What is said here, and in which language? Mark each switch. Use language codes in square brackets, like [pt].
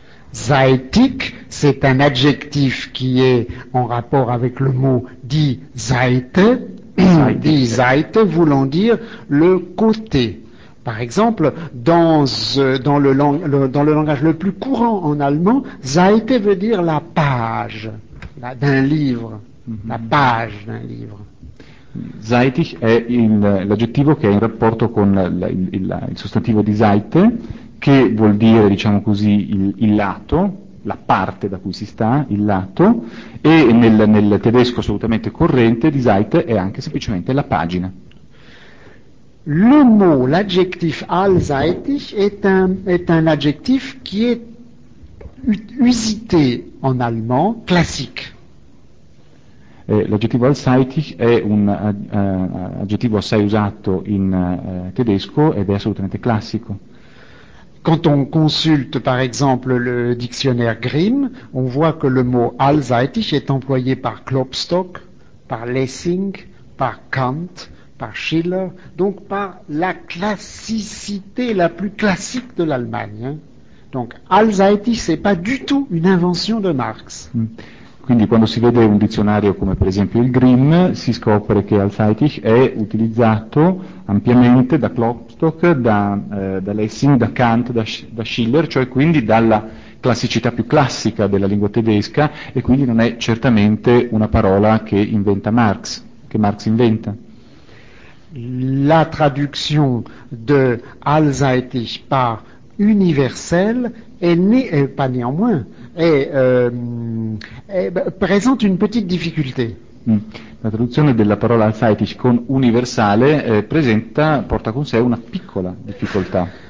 [fr] Seitig, c'est un adjectif qui est en rapport avec le mot die Seite. Die Seite voulant dire le côté. Par exemple, dans le langage le plus courant en allemand, Seite veut dire la page d'un livre, mm-hmm. La page d'un livre. [it] Seitig è l'aggettivo che è in rapporto con il sostantivo di Seite, che vuol dire, diciamo così, il lato, la parte da cui si sta, il lato, e nel tedesco assolutamente corrente, die Seite è anche semplicemente la pagina. [fr] Le mot, l'adjectif allseitig est un adjectif qui est usité en allemand classique. L'adjectif [it] allseitig è un adjectif assai usato in tedesco ed è assolutamente classico. [fr] Quand on consulte par exemple le dictionnaire Grimm, on voit que le mot allseitig est employé par Klopstock, par Lessing, par Kant, par Schiller, donc par la classicité la plus classique de l'Allemagne. Hein. Donc allseitig, c'est pas du tout une invention de Marx. [it] Quindi quando si vede un dizionario come per esempio il Grimm, si scopre che allseitig è utilizzato ampiamente da Klopstock, da Lessing, da Kant, da Schiller, cioè quindi dalla classicità più classica della lingua tedesca, e quindi non è certamente una parola che inventa Marx, che Marx inventa. [fr] La traduction de allseitig par universel présente une petite difficulté. [it] La traduzione della parola allseitig con universale porta con sé una piccola difficoltà.